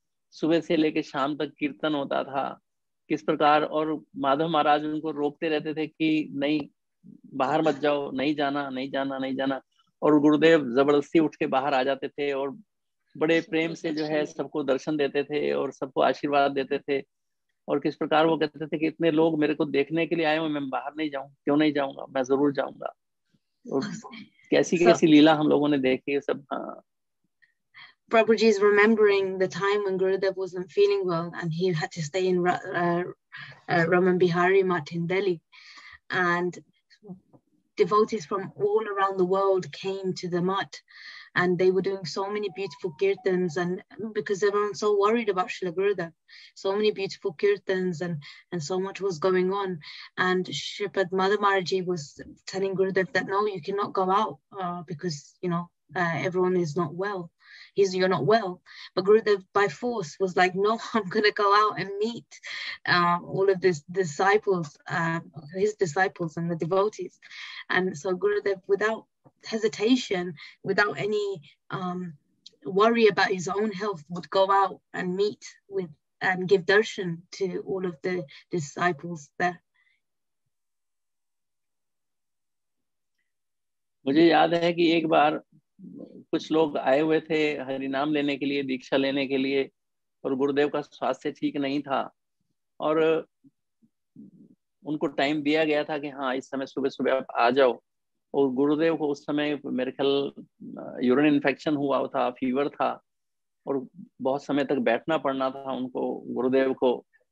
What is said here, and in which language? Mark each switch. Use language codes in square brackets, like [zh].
[hi] सुबह से लेके शाम तक कीर्तन होता था किस प्रकार, और माधव महाराज उनको रोकते रहते थे कि नहीं बाहर मत जाओ, नहीं जाना, नहीं जाना, नहीं जाना, और गुरुदेव जबरदस्ती उठ के बाहर आ जाते थे और बड़े प्रेम से जो है सबको दर्शन देते थे और सबको आशीर्वाद देते थे. और किस प्रकार वो कहते थे कि इतने लोग मेरे को देखने के लिए आए हैं, मैं बाहर नहीं जाऊं, क्यों नहीं जाऊंगा, मैं जरूर जाऊंगा. और कैसी कैसी लीला हम लोगों ने देखी सब. हाँ, [en] Prabhuji is remembering the time when Gurudev wasn't feeling well and he had to stay in Raman Bihari Mart in Delhi, and devotees from all around the world came to the mat, and they were doing so many beautiful kirtans, and because everyone's so worried about Srila Gurudev, so many beautiful kirtans and so much was going on. And Shripad Madhav Maharaji was telling Gurudev that, no, you cannot go out because, you know, everyone is not well. You're not well. But Gurudev by force was like, no, I'm going to go out and meet all of these disciples, his disciples and the devotees. And so Gurudev, without hesitation, without any worry about his own health, would go out and meet with and give darshan to all of the disciples there. [hi] मुझे याद है कि एक बार कुछ लोग आए हुए थे हरिनाम लेने के लिए, दीक्षा लेने के लिए, और गुरुदेव का स्वास्थ्य ठीक नहीं था और उनको टाइम दिया गया था कि हाँ इस समय सुबह सुबह आप आ जाओ, और गुरुदेव को उस समय मेरे ख्याल यूरिन इन्फेक्शन हुआ था, फीवर था, और बहुत समय तक बैठना पड़ना था उनको गुरुदेव को।